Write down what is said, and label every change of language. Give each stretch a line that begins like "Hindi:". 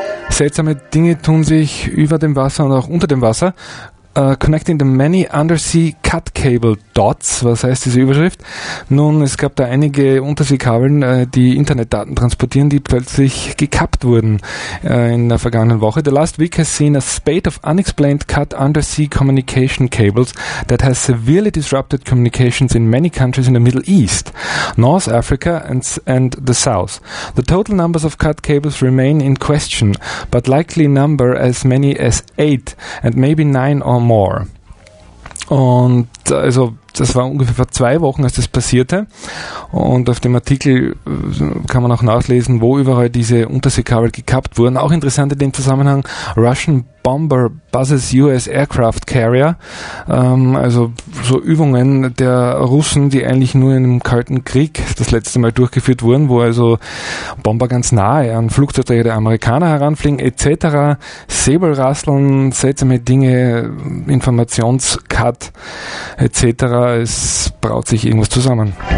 German: Seltsame Dinge tun sich über dem Wasser und auch unter dem Wasser.
English: Connecting the many undersea cut cable dots.
German: Was heißt diese Überschrift? Nun, es gab da einige Unterseekabeln, die Internetdaten transportieren, die plötzlich gekappt wurden in der vergangenen Woche.
English: The last week has seen a spate of unexplained cut undersea communication cables that has severely disrupted communications in many countries in the Middle East, North Africa and the South. The total numbers of cut cables remain in question, but likely number as many as 8 and maybe 9 or more.
German: Und also das war ungefähr vor 2 Wochen, als das passierte. Und auf dem Artikel kann man auch nachlesen, wo überall diese Unterseekabel gekappt wurden. Auch interessant in dem Zusammenhang, Russian
English: Bomber Buzzes US Aircraft Carrier,
German: also so Übungen der Russen, die eigentlich nur im Kalten Krieg das letzte Mal durchgeführt wurden, wo also Bomber ganz nahe an Flugzeugträger der Amerikaner heranfliegen etc., Säbelrasseln, seltsame Dinge, Informationscut etc., es braut sich irgendwas zusammen.